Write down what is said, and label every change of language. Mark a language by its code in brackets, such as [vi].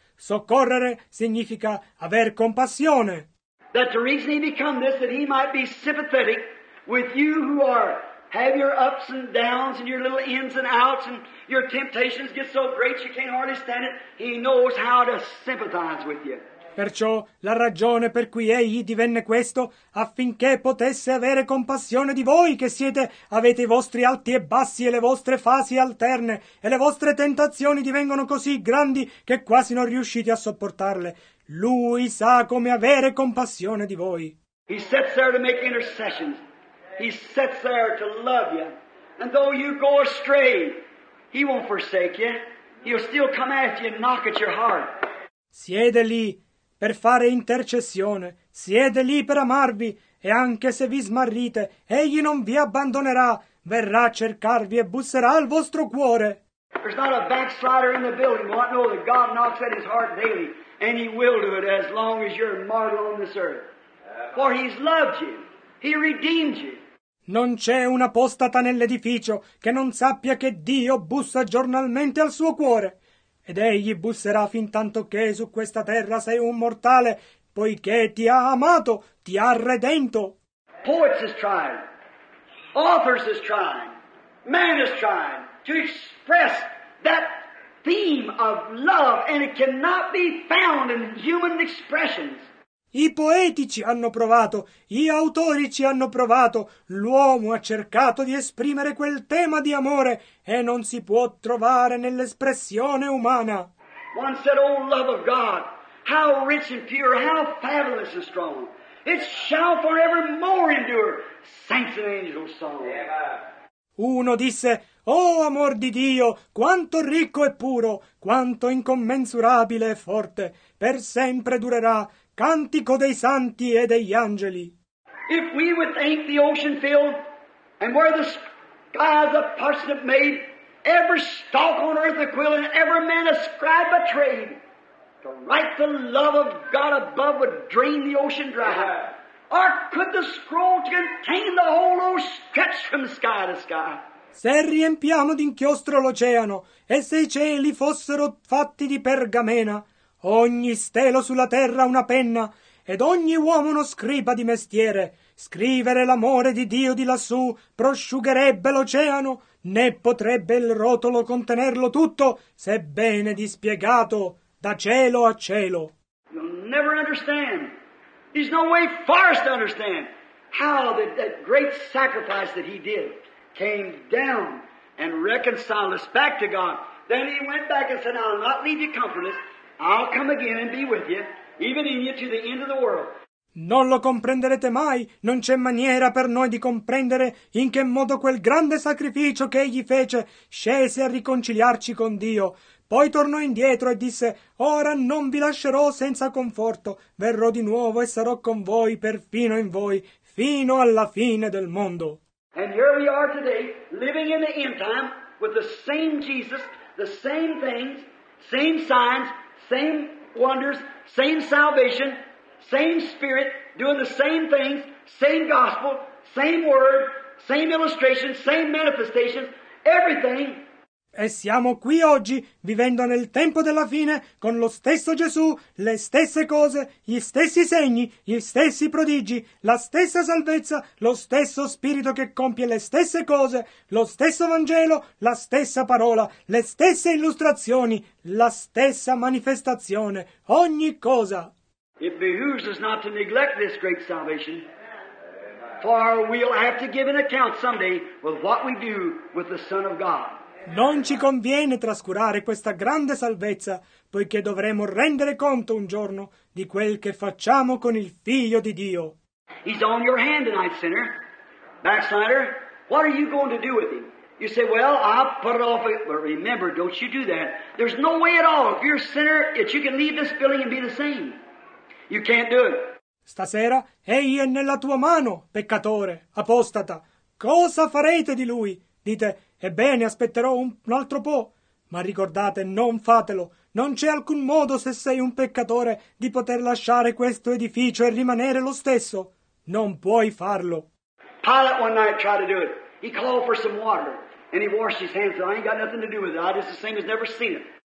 [it] Soccorrere significa aver compassione. [en] That the reason he become this, that he might be sympathetic with you who are, have your ups and downs and your little ins and outs and your temptations get so great you can't hardly stand it, he knows how to sympathize with you. [it] Perciò la ragione per cui egli divenne questo, affinché potesse avere compassione di voi che siete, avete i vostri alti e bassi e le vostre fasi alterne, e le vostre tentazioni divengono così grandi che quasi non riuscite a sopportarle. Lui sa come avere compassione di voi. [en] He sits there to make intercessions. He sits there to love you. And though you go astray, he won't forsake you. He'll still come after you and knock at your heart. [it] Siede lì per fare intercessione. Siede lì per amarvi. E anche se vi smarrite, egli non vi abbandonerà. Verrà a cercarvi e busserà al vostro cuore. [en] There's not a backslider in the building. Well, I know that God knocks at his heart daily. And he will do it as long as you're mortal on this earth. For he's loved you. He redeemed you. [it] Non c'è un apostata nell'edificio che non sappia che Dio bussa giornalmente al suo cuore. Ed egli busserà fin tanto che su questa terra sei un mortale, poiché ti ha amato, ti ha redento. [en] Poets is trying. Authors is trying. Man is trying to express that theme of love, and it cannot be found in human expressions. [it] I poeti ci hanno provato, gli autori ci hanno provato, l'uomo ha cercato di esprimere quel tema di amore e non si può trovare nell'espressione umana. [en] One said, oh love of God, how rich and pure, how fabulous and strong, it shall forevermore endure, saints and angels song. Yeah. [it] Uno disse, oh amor di Dio, quanto ricco e puro, quanto incommensurabile e forte, per sempre durerà, cantico dei santi e degli angeli. [en] If we would thank the ocean filled, and where the skies of parchment made, every stalk on earth a quill, and every man a scribe a trade, to write the love of God above would drain the ocean dry. Or could the scroll contain the whole ocean stretched from sky to sky? [it] Se riempiamo d'inchiostro l'oceano, e se i cieli fossero fatti di pergamena, ogni stelo sulla terra una penna, ed ogni uomo uno scriba di mestiere, scrivere l'amore di Dio di lassù prosciugherebbe l'oceano, né potrebbe il rotolo contenerlo tutto, sebbene dispiegato da cielo a cielo. [en] You'll never understand. There's no way for us to understand how that great sacrifice that he did came down and reconciled us back to God. Then he went back and said, I'll not leave you comfortless. I'll come again and be with you, even in you to the end of the world. [it] Non lo comprenderete mai. Non c'è maniera per noi di comprendere in che modo quel grande sacrificio che egli fece scese a riconciliarci con Dio. Poi tornò indietro e disse, ora non vi lascerò senza conforto. Verrò di nuovo e sarò con voi, perfino in voi, fino alla fine del mondo. [en] And here we are today, living in the end time, with the same Jesus, the same things, same signs, same wonders, same salvation, same spirit, doing the same things, same gospel, same word, same illustration, same manifestation, everything. [it] E siamo qui oggi, vivendo nel tempo della fine, con lo stesso Gesù, le stesse cose, gli stessi segni, gli stessi prodigi, la stessa salvezza, lo stesso Spirito che compie le stesse cose, lo stesso Vangelo, la stessa parola, le stesse illustrazioni, la stessa manifestazione, ogni cosa. [en] It behooves us not to neglect this great salvation, for we'll have to give an account someday with what we do with the Son of God. [it] Non ci conviene trascurare questa grande salvezza, poiché dovremo rendere conto un giorno di quel che facciamo con il Figlio di Dio. [en] He's on your hand tonight, sinner, backslider. What are you going to do with him? You say, well, I'll put it off. But remember, don't you do that. There's no way at all, if you're a sinner, that you can leave this building and be the same. You can't do it. [it] Stasera egli è nella tua mano, peccatore, apostata. Cosa farete di lui? Dite, ebbene, aspetterò un altro po'. Ma ricordate, non fatelo. Non c'è alcun modo, se sei un peccatore, di poter lasciare questo edificio e rimanere lo stesso. Non puoi farlo. [en] Pilate one night tried to do it. He called for some water and he washed his hands. I ain't got nothing to do with it. I just the same as never seen it.